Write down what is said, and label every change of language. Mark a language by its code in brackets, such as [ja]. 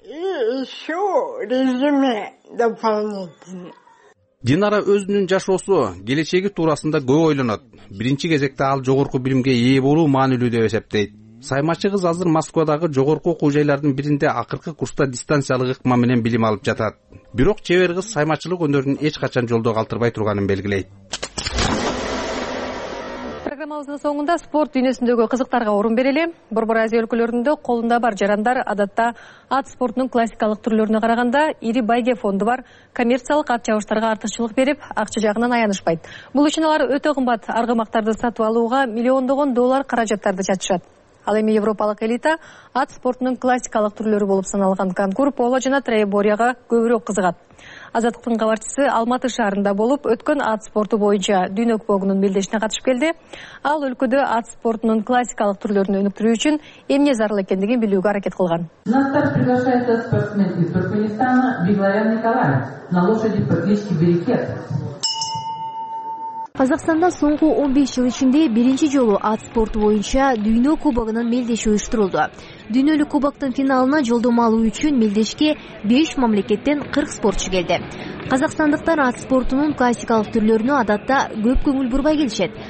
[ru] Ишу резюме дополнительно. [ky] Динара өзүнүн жашоосу, келечеги туурасында көп ойлонот. Биринчи кезекте ал жогорку билимге ээ болуу маанилүү деп эсептейт. Саймачы кыз азыр Москвадагы жогорку окуу жайлардын биринде акыркы курста дистанциялык ыкма менен билим алып жатат. Бирок чебер кыз саймачылык өнөрүн эч качан жолдо калтырбай турганын белгилейт. Программабыздын соңунда спорт дүйнөсүндөгү кызыктарга орун берели. Борбор Азия өлкөлөрүндө колунда бар жарандар адатта ат спортунун классикалык түрлөрүнө караганда ири байге фонду бар. Коммерциялык ат чабыштарга артыкчылык берип, акча жагынан аянышпайт. Бул үчүн алар өтө кымбат аргымактарды сатып алууга миллиондогон доллар каражаттарды жатышат. Ал эми европалык элита ат спортунун классикалык түрлөрү болуп саналган конкур, поло жана троеборияга көбүрөөк кызыгат. Азаттыктын кабарчысы Алматы шаарында болуп өткөн ат спорту боюнча дүйнө кубогунун белдешине катышып келди. Ал өлкөдө ат спортунун классикалык түрлөрүн өнүктүрүү үчүн эмне зарыл экендигин билүүгө аракет кылган. [ru] На старт приглашается спортсмен из Туркменистана Бигларян Николай на лошади по кличке Берекет. [ky] Казакстанда соңку 15 жыл ичинде биринчи жолу ат спорту боюнча дүйнө кубогунун мелдеши уюштурулду. Дүйнөлүк кубоктун финалына жолдом алуу үчүн мелдешке 5 мамлекеттен 40 спортчу келди. Казакстандыктар ат спортунун классикалык түрлөрүнө адатта көп көңүл бурбай келишет.